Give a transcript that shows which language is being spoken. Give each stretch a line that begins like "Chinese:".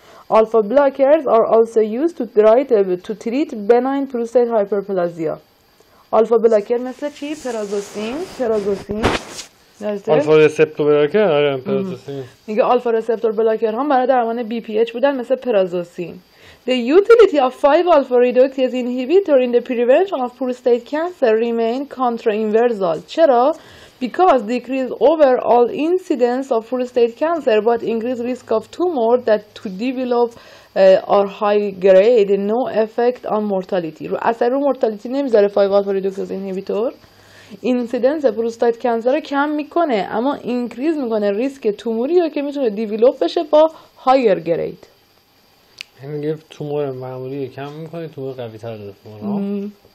English: Alpha blockers are also used to treat benign prostate hyperplasia. Alpha blocker
Persian: مثل چی؟ پرازوسین آلفا رسپتور بلاکر. آره میگه آلفا رسپتور بلاکر هم برای درمان بی پی اچ بودن مثل پرازوسین.
English: The utility of 5 alpha reductase inhibitor in the prevention of prostate cancer remain contra-inversal.
Persian: چرا؟
English: Because decrease overall incidence of prostate cancer but increase risk of tumor that to develop or high grade no effect on mortality.
Persian: رو اثر رو مورتالیتی نمیذاره 5 alpha reductase inhibitor. اینسیدنس پروستات کانسر رو کم میکنه اما اینکریز میکنه ریسک توموری رو که میتونه دیولوپ بشه با هایر گرید. یعنی گفت تومور معمولی رو کم میکنه تومور قوی تر رو دفعه.